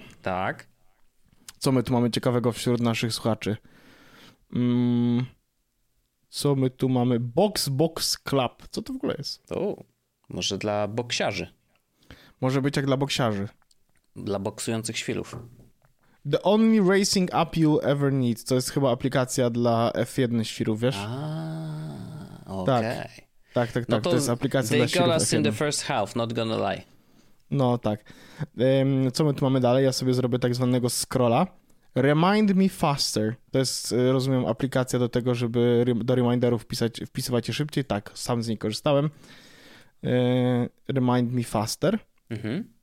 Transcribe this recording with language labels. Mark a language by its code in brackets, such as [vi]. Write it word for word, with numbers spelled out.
[pl] Tak, tak, tak. Co my tu mamy ciekawego wśród naszych słuchaczy? Um, co my tu mamy? Box Box Club. Co to w ogóle jest? O, może dla boksiarzy. Może być jak dla boksiarzy. Dla boksujących świrów. [en] The Only Racing App You'll Ever Need. [pl] To jest chyba aplikacja dla F jeden świrów, wiesz? A, okej. Okay. Tak, tak, tak. No tak. To, to jest aplikacja dla świrów. [en] They got us in the first half, not gonna lie. [pl] No tak. Um, co my tu mamy dalej? Ja sobie zrobię tak zwanego scrolla. [en] Remind Me Faster. [pl] To jest, rozumiem, aplikacja do tego, żeby do reminderów wpisać, wpisywać je szybciej. Tak, sam z niej korzystałem. e, [en] Remind Me Faster. [pl] Mhm.